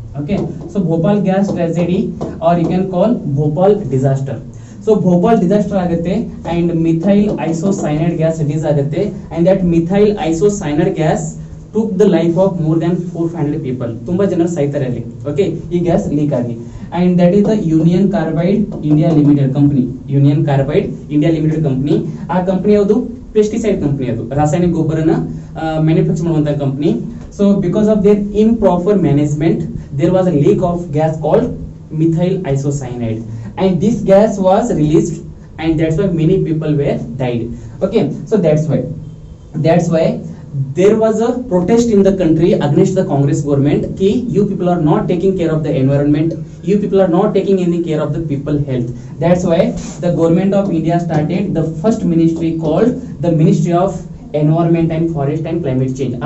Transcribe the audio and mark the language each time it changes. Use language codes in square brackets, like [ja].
[en] Okay, so Bhopal gas tragedy or you can call Bhopal disaster. So Bhopal disaster ಆಗುತ್ತೆ and methyl isocyanide gas release ಆಗುತ್ತೆ and that methyl isocyanide gas took the life of more than 400 people. [kn] ತುಂಬಾ ಜನರು ಸಾಯ್ತಾರೆ ಅಲ್ಲಿ. Okay, ಈ gas leak ಆಗಿ. [en] And that is the Union Carbide India Limited company. Union Carbide India Limited company. [kn] ಆ company ಯಾವುದು, pesticide company, ಅದು ರಾಸಾಯನಿಕ ಗೊಬ್ಬರನ ಮ್ಯಾನುಫ್ಯಾಕ್ಚರ್ ಮಾಡುವಂತಹ company. [en] So because of their improper management there was a leak of gas called methyl isocyanide and this gas was released and that's why many people were died. Okay, so that's why there was a protest in the country against the Congress government that you people are not taking care of the environment, you people are not taking any care of the people health. That's why the government of India started the first ministry called the Ministry of Environment and Forest and Climate Change.